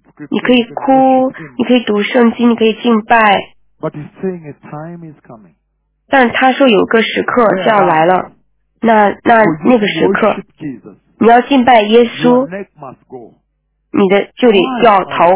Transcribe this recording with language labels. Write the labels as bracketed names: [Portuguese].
[Chinese] 你可以哭，你可以读圣经，你可以敬拜。 [English] But he's saying a time is coming. [Chinese] 但他说有个时刻就要来了。那个时刻，你要敬拜耶稣，你的就得要逃。